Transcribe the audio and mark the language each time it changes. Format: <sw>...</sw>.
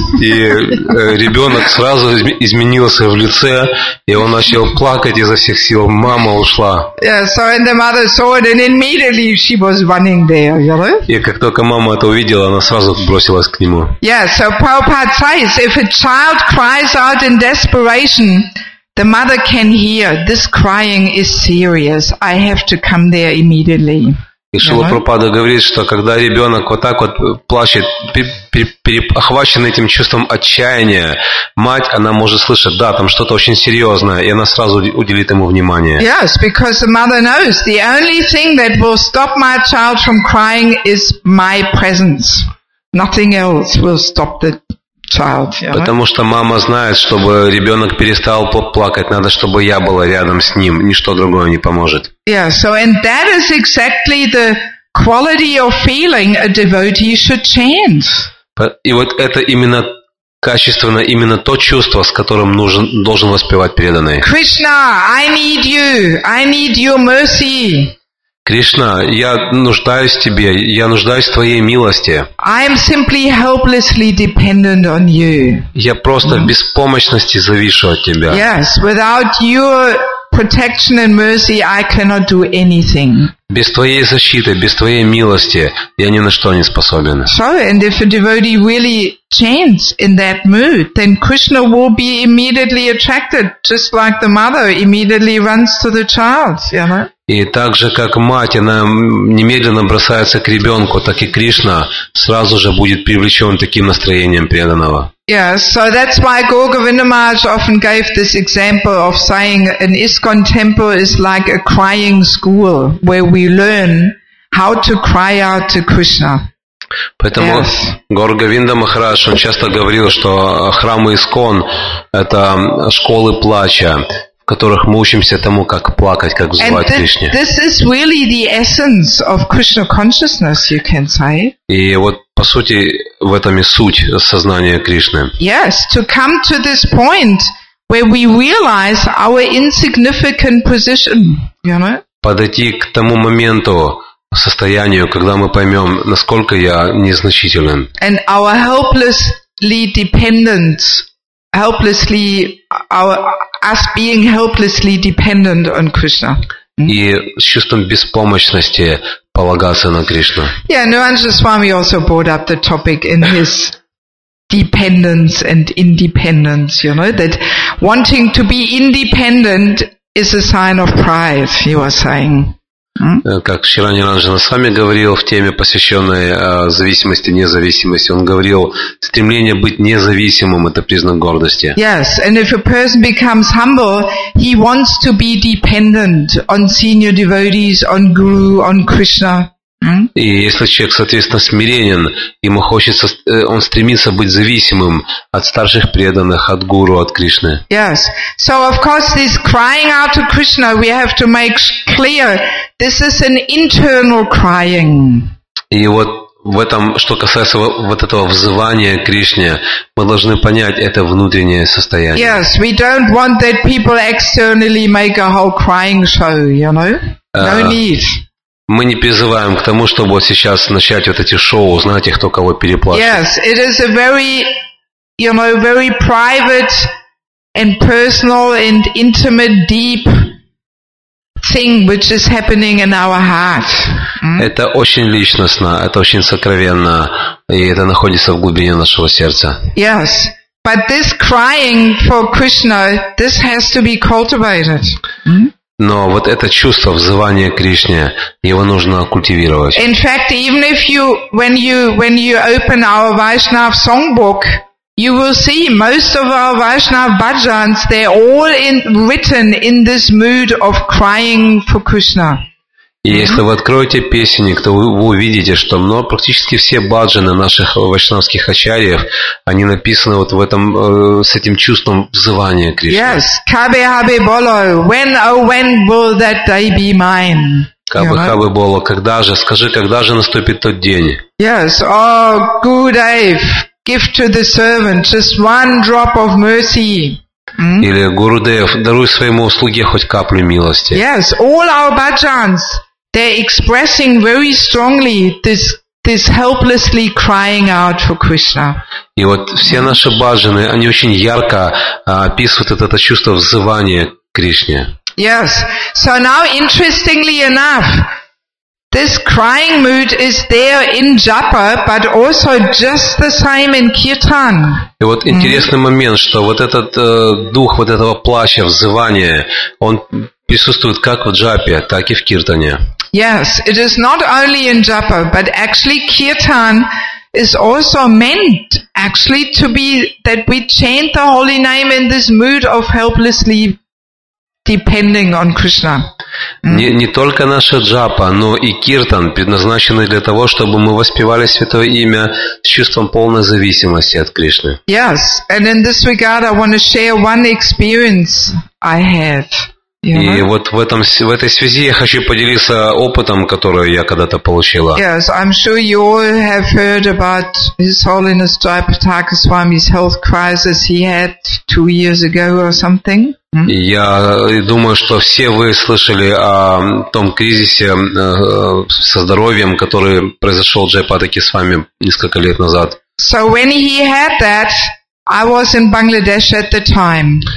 <ru>И ребенок сразу изменился в лице, и он начал плакать изо всех сил, мама ушла.</ru> <en>Yeah, so and the mother saw it, and immediately she was running there, you know.</en> <ru>И как только мама это увидела, она сразу бросилась к нему.</ru> <en>Yeah, so Prabhupada says, if a child cries out in desperation, the mother can hear, this crying is serious, I have to come there immediately.</en> <ru>И Шрила Прабхупада говорит, что когда ребенок вот так вот плачет, охваченный этим чувством отчаяния, мать, она может слышать, да, там что-то очень серьезное, и она сразу уделит ему внимание.</ru> <en>Yes, because the mother knows, the only thing that will stop my child from crying is my presence. Nothing else will stop the child, you know?</en> <ru>Потому что мама знает, чтобы ребенок перестал плакать, надо, чтобы я была рядом с ним. Ничто другое не поможет.</ru> <en>Yeah, so and that is exactly the quality of feeling a devotee should chant.</en> <ru>И вот это именно качественно, именно то чувство, с которым должен воспевать преданный.</ru> <en>Krishna, I need you. I need your mercy.</en> <ru>Кришна, я нуждаюсь в тебе, я нуждаюсь в твоей милости.</ru> <en>I am simply helplessly dependent on you.</en> <ru>Я просто в беспомощности завишу от тебя.</ru> <en>Yes, without your protection and mercy, I cannot do anything.</en> <ru>Без твоей защиты, без твоей милости, я ни на что не способен.</ru> <en>So, and if a devotee really chants in that mood, then Krishna will be immediately attracted, just like the mother immediately runs to the child, you know?</en> <ru>И так же, как мать, она немедленно бросается к ребенку, так и Кришна сразу же будет привлечен таким настроением преданного.</ru> <en>Yeah, so that's why Gaura Govinda Maharaj often gave this example of saying an ISKCON temple is like a crying school where we learn how to cry out to Krishna.</en> <ru>Поэтому yes. Гаура Говинда Махарадж, он часто говорил, что храмы ИСКОН – это школы плача, в которых мы учимся тому, как плакать, как взывать Кришне.</ru> <en>This is really the essence of Krishna consciousness, you can say.</en> <ru>И вот, по сути, в этом и суть сознания Кришны.</ru> <en>Yes, to come to this point where we realize our insignificant position, you know?</en> <ru>Подойти к тому моменту, состоянию, когда мы поймем, насколько я незначителен.</ru> <en>And our helplessly dependent, helplessly, us being helplessly dependent on Krishna.</en> <ru>И с чувством беспомощности полагаться на Кришну.</ru> <en>Yeah, Nirvana Swami also brought up the topic in his dependence and independence, you know, that wanting to be independent is a sign of pride, you are saying.</en> <ru>Как вчера Ниранджана сами говорил в теме, посвященной зависимости, независимости, он говорил, стремление быть независимым – это признак гордости.</ru> <en>Yes, and if a person becomes humble, he wants to be dependent on senior devotees, on guru, on Krishna.</en> <ru>И если человек, соответственно, смиренен, ему хочется, он стремится быть зависимым от старших преданных, от гуру, от Кришны.</ru> <en>Yes. So of course, this crying out to Krishna, we have to make clear, this is an internal crying.</en> <ru>И вот в этом, что касается вот этого взывания к Кришне, мы должны понять это внутреннее состояние.</ru> <en>Yes. We don't want that people externally make a whole crying show, you know? No need.</en> <ru>Мы не призываем к тому, чтобы вот сейчас начать вот эти шоу, знаете, кто кого переплачивает.</ru> <en>Yes, it is a very, you know, very private and personal and intimate, deep thing, which is happening in our heart.</en> <ru>Это очень личностно, это очень сокровенно, и это находится в глубине нашего сердца.</ru> <en>Yes, but this crying for Krishna, this has to be cultivated.</en> <ru>Но вот это чувство взывания к Кришне, его нужно культивировать.</ru> <en>In fact, even if you, when you open our Vaishnava songbook, you will see most of our Vaishnava bhajans, they're all in, written in this mood of crying for Krishna.</en> <ru>И если вы откроете песенник, то вы увидите, что практически все баджаны наших вайшнавских ачарьев, они написаны вот в этом, с этим чувством взывания к Кришне.</ru> <en>Yes, Kabe Habe Bolo, when, oh, when will that day be mine?</en> <ru>Кабе Хабе Боло, когда же, скажи, когда же наступит тот день?</ru> <en>Yes, oh, Gurudev, give to the servant just one drop of mercy.</en> <ru>Или Гурудев, даруй своему слуге хоть каплю милости.</ru> <en>Yes, all our bhajans, they're expressing very strongly this helplessly crying out for Krishna.</en> <ru>И вот все наши баджаны, они очень ярко описывают это чувство взывания к Кришне.</ru> <en>Yes, so now interestingly enough, this crying mood is there in japa, but also just the same in kirtan.</en> <ru>И вот интересный момент, что вот этот дух вот этого плача, взывания, он присутствует как в джапе, так и в киртане.</ru> <en>Yes, it is not only in japa, but actually kirtan is also meant actually to be that we chant the holy name in this mood of helplessly depending on Krishna.</en> <ru>Не только наша джапа, но и киртан предназначены для того, чтобы мы воспевали святое имя с чувством полной зависимости от Кришны.</ru> <en>Yes, and in this regard I want to share one experience I had.</en> <ru>И вот в этом, в этой связи я хочу поделиться опытом, который я когда-то получила.</ru> <en>Yes, I'm sure you all have heard about His Holiness Jayaprataka Swami's health crisis he had 2 years ago or something.</en> <ru>Я думаю, что все вы слышали о том кризисе со здоровьем, который произошел Джайпатаке с вами несколько лет назад.</ru> <en>So when he had that, I was in Bangladesh at the time.</en>